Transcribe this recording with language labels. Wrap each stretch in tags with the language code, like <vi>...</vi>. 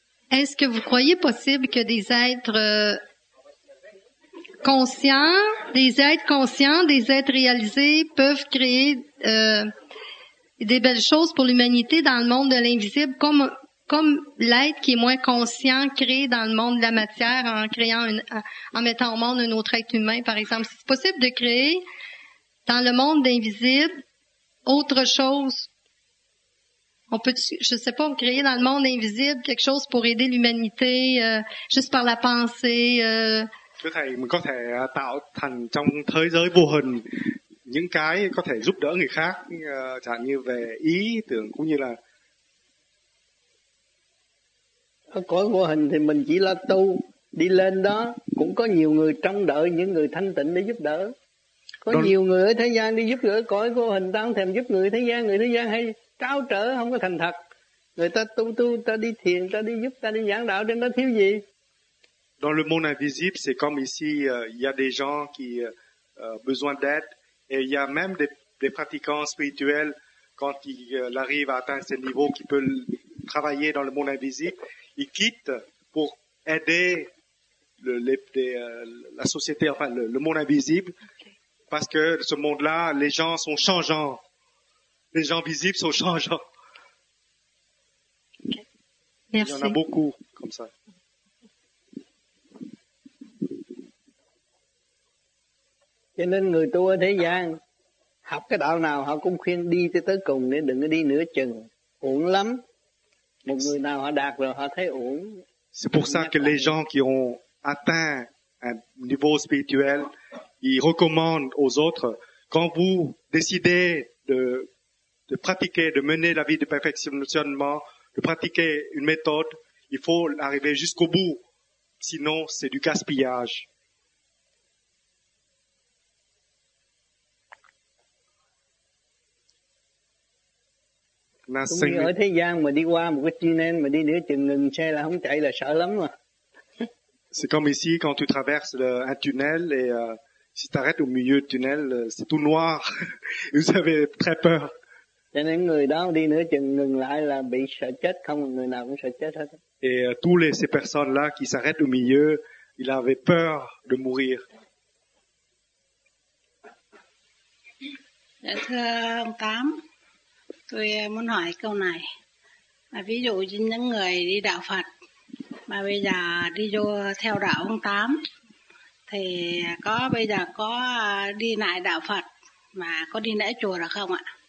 <fr>Est-ce que vous croyez possible que des êtres conscients, des êtres réalisés peuvent créer des belles choses pour l'humanité dans le monde de l'invisible comme l'être qui est moins conscient crée dans le monde de la matière en mettant au monde un autre être humain, par exemple? C'est possible de créer dans le monde invisible autre chose On peut, je sais pas, créer dans le monde invisible quelque chose pour aider l'humanité juste par la pensée.</fr> <vi>Thưa thầy, mình có thể tạo thành trong thế giới vô hình những cái có thể giúp đỡ người khác, chẳng như về ý tưởng cũng như là cõi vô hình thì mình chỉ là tu đi lên đó cũng có nhiều người trông đợi, những người thanh tịnh để giúp đỡ. Có nhiều người ở thế gian đi giúp đỡ cõi vô hình, ta không thèm giúp người thế gian hay cáo trở, không có thành thật. Người ta tu tu, ta đi thiền, ta đi giúp, ta đi giảng đạo, trên đó thiếu gì?</vi> <fr>Dans le monde invisible, c'est comme ici, il y a des gens qui ont besoin d'aide, et il y a même des pratiquants spirituels, quand ils arrivent à atteindre ce niveau, qui peuvent travailler dans le monde invisible, ils quittent pour aider la société, enfin le monde invisible, parce que ce monde-là, les gens sont changeants. Les gens visibles sont changeants. Okay. Merci. Il y en a beaucoup comme ça.</fr> <vi>Cho nên người tu ở thế gian học cái đạo nào họ cũng khuyên đi tới cùng, nên đừng có đi nửa chừng, uổng lắm. Một người nào họ đạt rồi họ thấy uổng.</vi> <fr>C'est pour ça que les gens qui ont atteint un niveau spirituel, ils recommandent aux autres, quand vous décidez de pratiquer, de mener la vie de perfectionnement, de pratiquer une méthode, il faut arriver jusqu'au bout, sinon c'est du gaspillage.</fr> <vi>Cũng như ở thế gian mà đi qua một cái tunnel mà đi nửa chừng ngừng xe là không chạy là sợ lắm mà.</vi> <fr>C'est comme ici quand tu traverses un tunnel et si tu arrêtes au milieu du tunnel, c'est tout noir. Vous avez très peur.</fr> <vi>Cho nên người đó đi nửa chừng ngừng lại là bị sợ chết, không người nào cũng sợ chết hết.</vi> <fr>Et tous ces personnes là qui s'arrêtent au milieu, ils avaient peur de mourir.</fr> <vi>Thưa ông Tám, tôi muốn hỏi câu này. Ví dụ như những người đi đạo Phật mà bây giờ đi vô theo đạo ông Tám, thì có bây giờ có đi lại đạo Phật mà có đi lễ chùa được không ạ?</vi>